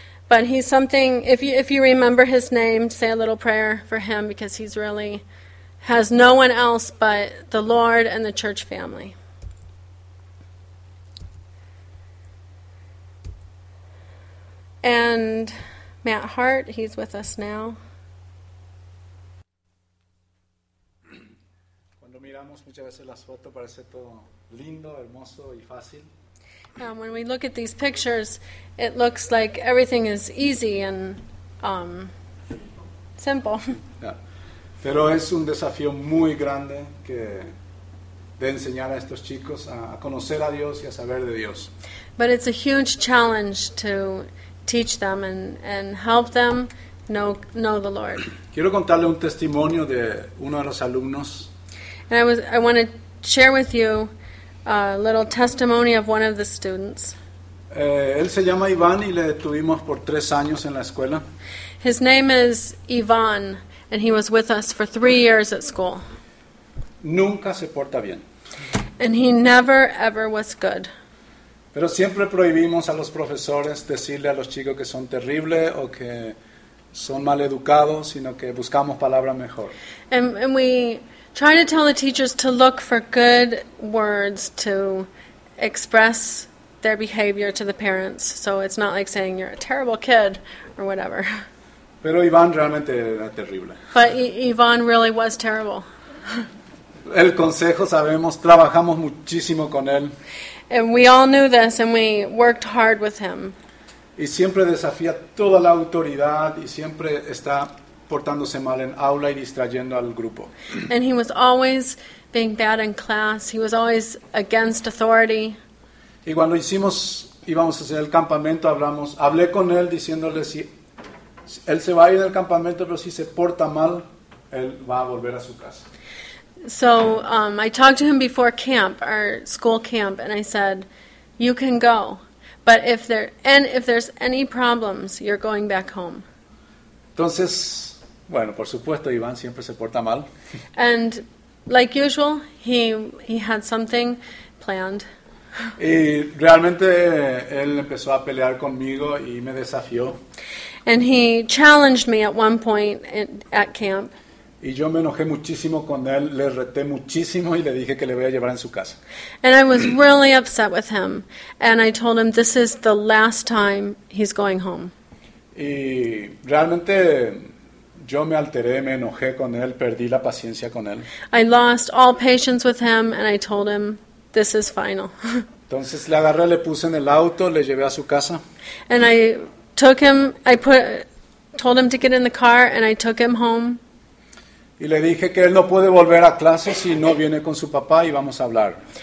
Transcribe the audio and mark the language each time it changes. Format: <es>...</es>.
<en>But he's something, if you remember his name, say a little prayer for him, because he's really has no one else but the Lord and the church family. And Matt Hart, he's with us now.</en> <es>Cuando miramos muchas veces las fotos, parece todo lindo, hermoso y fácil.</es> <en>When we look at these pictures, it looks like everything is easy and simple. Yeah.</en> <es>Pero es un desafío muy grande que de enseñar a estos chicos a conocer a Dios y a saber de Dios.</es> <en>But it's a huge challenge to teach them and help them know the Lord.</en> <es>Quiero contarle un testimonio de uno de los alumnos.</es> <en>And I want to share with you a little testimony of one of the students.</en> <es>Él se llama Iván y le tuvimos por 3 años en la escuela.</es> <en>His name is Iván, and he was with us for 3 years at school.</en> <es>Nunca se porta bien.</es> <en>And he never ever was good.</en> <es>Pero siempre prohibimos a los profesores decirle a los chicos que son terribles o que son mal educados, sino que buscamos palabras mejor.</es> <en>And we try to tell the teachers to look for good words to express their behavior to the parents, so it's not like saying you're a terrible kid or whatever.</en> <es>Pero Iván realmente era terrible.</es> <en>But Iván really was terrible.</en> <es>El consejo sabemos, trabajamos muchísimo con él.</es> <en>And we all knew this, and we worked hard with him.</en> <es>Y siempre desafía toda la autoridad y siempre está portándose mal en aula y distrayendo al grupo.</es> <en>And he was always being bad in class. He was always against authority.</en> <es>Y cuando hicimos, íbamos a hacer el campamento, hablé con él diciéndole si él se va a ir del campamento, pero si se porta mal, él va a volver a su casa.</es> <en>So I talked to him before camp, our school camp, and I said, "You can go, but if there's any problems, you're going back home."</en> <es>Entonces, bueno, por supuesto, Iván siempre se porta mal.</es> <en>And like usual, he had something planned.</en> <es>Y realmente él empezó a pelear conmigo y me desafió.</es> <en>And he challenged me at one point at camp.</en> <es>Y yo me enojé muchísimo con él, le reté muchísimo y le dije que le voy a llevar en su casa.</es> <en>And I was really upset with him. And I told him this is the last time he's going home.</en> <es>Y realmente yo me alteré, me enojé con él, perdí la paciencia con él.</es> <en>I lost all patience with him and I told him this is final.</en> <es>Entonces le agarré, le puse en el auto, le llevé a su casa.</es> <en>And I took him, told him to get in the car and I took him home.</en> <es>Y le dije que él no puede volver a clase si no viene con su papá y vamos a hablar.</es>